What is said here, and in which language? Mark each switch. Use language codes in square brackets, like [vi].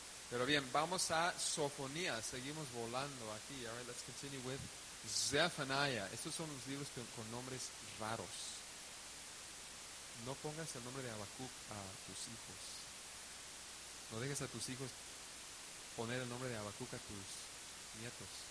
[es] Pero bien, vamos a Sofonías. Seguimos volando aquí. [en] All right, let's continue with Zephaniah. [es] Estos son los libros con nombres raros. No pongas el nombre de Habacuc a tus hijos. No dejes a tus hijos poner el nombre de Habacuc a tus nietos.